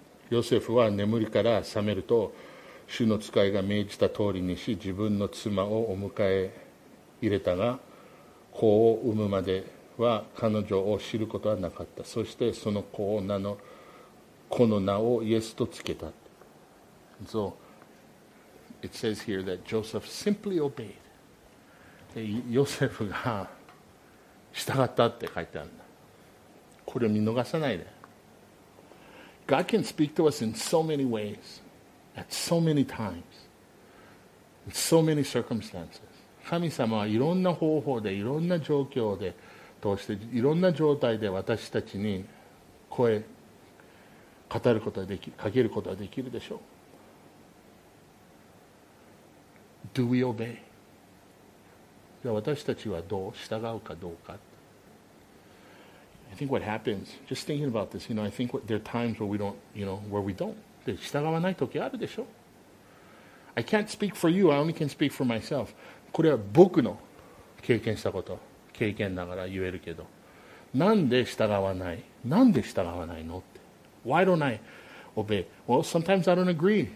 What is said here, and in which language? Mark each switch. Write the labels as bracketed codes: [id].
[ja] ヨセフは眠りから覚めると、主の使いが命じた通りにし、自分の妻をお迎え入れたが、子を産むまでは彼女を知ることはなかった。そしてその子を名の、子の名をイエスとつけた。 [en] So, it says here that Joseph simply obeyed. [ja] ヨセフが従ったって書いてあるんだ。これ見逃さないで。 [en] God can speak to us in so many ways, at so many times, in so many circumstances. [ja] 神様はいろんな方法で、いろんな状況で、通して、いろんな状態で私たちに声、語ることができ、かけることができるでしょう。 [en] Do we obey? [ja] じゃあ私たちはどう従うかどうか。 [en] I think what happens, just thinking about this, you know, I think what, there are times where we don't, you know, where we don't. [ja] で、従わない時あるでしょ? [en] I can't speak for you, I only can speak for myself. [ja] これは僕の経験したこと、経験ながら言えるけど。なんで従わない?なんで従わないのって。 [en] Why don't I obey? Well, sometimes I don't agree.